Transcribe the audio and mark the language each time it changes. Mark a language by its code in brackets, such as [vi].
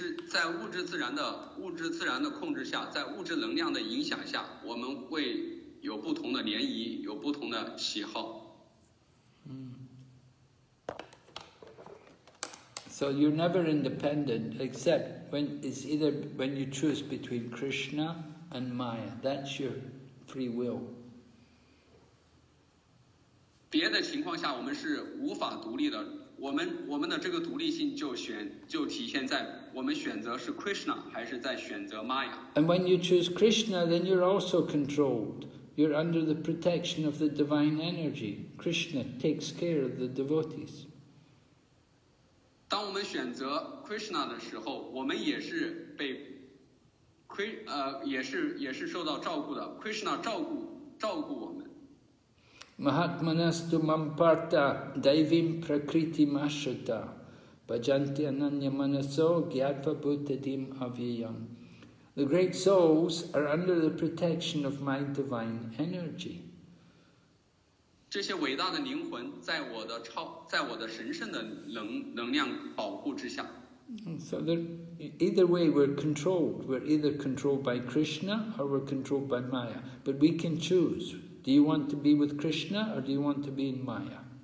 [zh] 在物质自然的控制下，在物质能量的影响下，我们会有不同的涟漪，有不同的喜好。 [en] So you're never independent except when it's either when you choose between Krishna and Maya. That's your free will. [zh] 别的情况下我们是无法独立的，我们的这个独立性就体现在我们选择是 Krishna 还是在选择 Maya. [en] And when you choose Krishna, then you're also controlled. You're under the protection of the divine energy. Krishna takes care of the devotees. [zh] 当我们选择 Krishna 的时候，我们也是被 也是受到照顾的。 Krishna 照顾我们。 [sa] Mahatmanastu mamparta devim prakriti mashrita bhajanti ananya manaso gyatva bhutadim avyayam. [en] The great souls are under the protection of my divine energy. [zh] 这些伟大的灵魂在我的超，在我的神圣的能量保护之下。 [en] So either way we're controlled. We're either controlled by Krishna or we're controlled by Maya. But we can choose. Do you want to be with Krishna or do you want to be in Maya?